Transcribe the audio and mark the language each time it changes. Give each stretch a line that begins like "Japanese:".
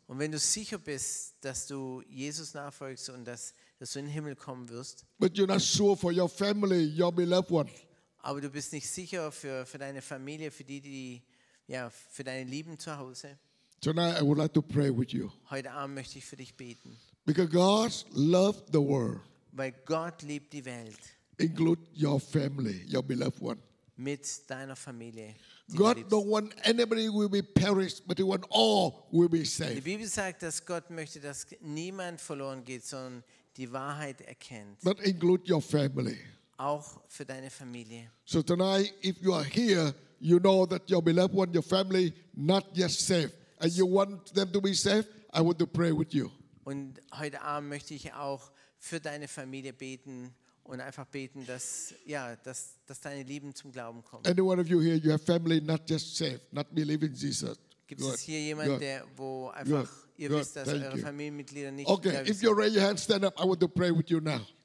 German: Und wenn du sicher bist, dass du Jesus nachfolgst und dass du in den Himmel kommen wirst,
English: but you're not sure for your family, your beloved one.
German: Aber du bist nicht sicher für deine Familie, für deine Lieben zu Hause.
English: Tonight I would like to pray with you.
German: Heute Abend möchte ich für dich beten.
English: Because God loved the world.
German: Weil Gott liebt die Welt.
English: Include your family, your beloved one.
German: Mit deiner Familie.
English: God don't want anybody will be perished, but he want all will be saved.
German: Die Bibel sagt, dass Gott möchte, dass niemand verloren geht, sondern die Wahrheit erkennt.
English: But include your family.
German: Auch für deine Familie.
English: So tonight, if you are here, you know that your beloved one, your family, not yet saved, and you want them to be saved. I want to pray with you.
German: Und heute Abend möchte ich auch für deine Familie beten. Und einfach beten, dass deine Lieben zum Glauben kommen.
English: Any one of you here, you have family not just saved, not believing Jesus.
German: Gibt es hier jemanden, der, wo einfach ihr wisst, dass eure Familienmitglieder nicht glauben?
English: Okay, if you raise your hand, stand up. I want to pray with you now.